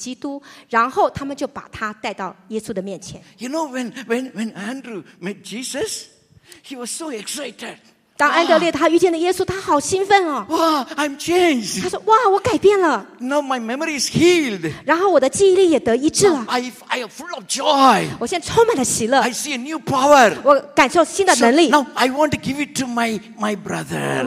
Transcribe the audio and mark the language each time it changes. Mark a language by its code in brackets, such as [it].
[zh] 这边第41节讲到说，他先找着了自己的哥哥西门，对他说：“我们遇见弥赛亚了，翻出来就是基督。”然后他们就把他带到耶稣的面前。 [en] You know when Andrew met Jesus, he was so excited. [zh] 当安德烈他遇见了耶稣，他好兴奋哦！ [en] Wow, I'm changed. [zh] 他说：“哇，我改变了。” [en] Now my memory is healed. [zh] 然后我的记忆力也得医治了。 [en] I am full of joy. [zh] 我现在充满了喜乐。 [en] I see a new power. [zh] 我感受新的能力。 [en] Now I want to give it to my brother.